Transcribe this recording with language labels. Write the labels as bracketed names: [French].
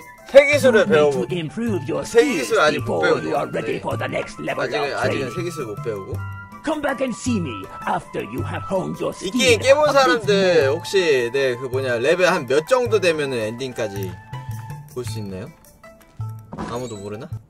[Korean] 새기술을 배우고. 새기술 아직 못 배우고. 아직은 새기술 못 배우고. [English] Come back and see me after you have honed your skill. [Korean] 이 게임 깨본 사람들 혹시 네 그 뭐냐 레벨 한 몇 정도 되면은 엔딩까지 볼 수 있나요? 아무도 모르나?